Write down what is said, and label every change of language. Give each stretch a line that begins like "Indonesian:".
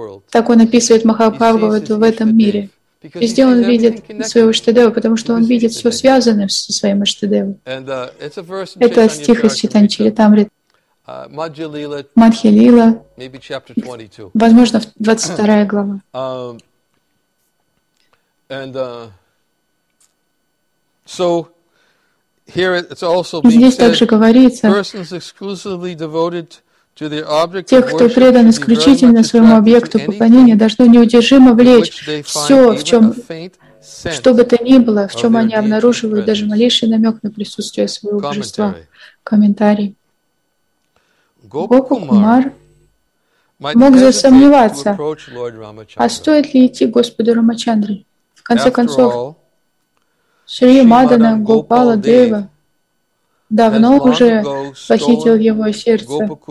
Russian: Так он описывает Махабхагавату в этом мире. Везде он видит своего иштадева, потому что он видит все связанное со своим иштадевом. Это стих из Чайтанья Чаритамриты. Мадхи-лила, возможно, 22 глава.
English: And So here it's also being said, persons exclusively devoted to their object of worship, they are very much attracted to anything to which they find even a faint sense.
Russian: Что бы то ни было, в чем они обнаруживают даже малейший намек на присутствие своего божества. Комментарий. Гопа-кумар мог засомневаться, а стоит ли идти к Господу Рамачандре? В конце концов, Шри Мадана Гопала Дева давно уже похитил его сердце.